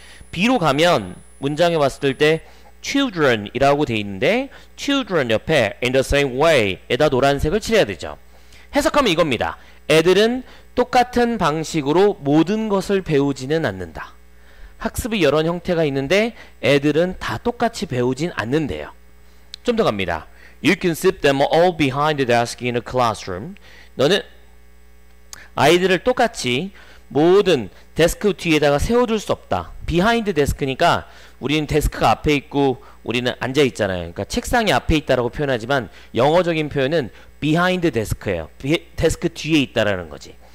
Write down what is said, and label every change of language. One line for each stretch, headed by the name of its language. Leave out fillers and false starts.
Korean: B로 가면 문장에 왔을 때 children 이라고 돼 있는데 children 옆에 in the same way 에다 노란색을 칠해야 되죠. 해석하면 이겁니다. 애들은 똑같은 방식으로 모든 것을 배우지는 않는다. 학습이 여러 형태가 있는데 애들은 다 똑같이 배우진 않는데요. 좀 더 갑니다.
English: You can sit them all behind the desk in a classroom.
Korean: 너는 아이들을 똑같이 모든 데스크 뒤에다가 세워둘 수 없다. Behind desk니까 우리는 데스크가 앞에 있고 우리는 앉아있잖아요. 그러니까 책상이 앞에 있다라고 표현하지만 영어적인 표현은 behind desk예요. 데스크 뒤에 있다라는 거지.